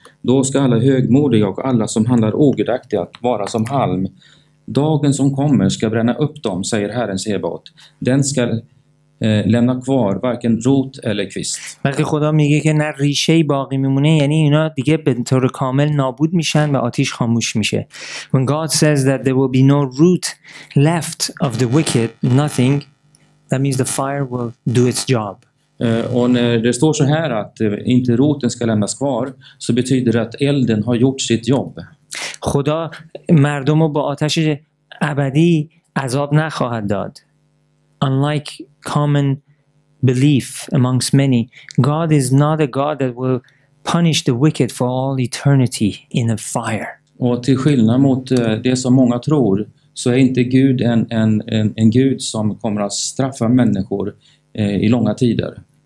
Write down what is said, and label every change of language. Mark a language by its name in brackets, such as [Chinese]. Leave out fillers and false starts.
[Swedish] Då ska alla högmodiga och alla som handlar ogudaktigt vara som halm. Dagen som kommer ska bränna upp dem, säger Herren Sebaot. Den ska lämna kvar varken rot eller kvist. [Persian] وقتی خدا میگه که نه ریشه ای باقی میمونه یعنی اینا دیگه به طور کامل نابود میشن و آتش خاموش میشه. [English] When God says that there will be no root left of the wicked, nothing, that means the fire will do its job. [Swedish] Och när det står så här att inte roten ska lämnas kvar så betyder det att elden har gjort sitt jobb. [Persian] خدا مردم رو با آتش ابدی عذاب نخواهد داد. [English] Unlike common belief amongst many, God is not a God that will punish the wicked for all eternity in a fire. [Swedish] Och till skillnad mot det som många tror så är inte Gud en Gud som kommer att straffa människor i långa tider.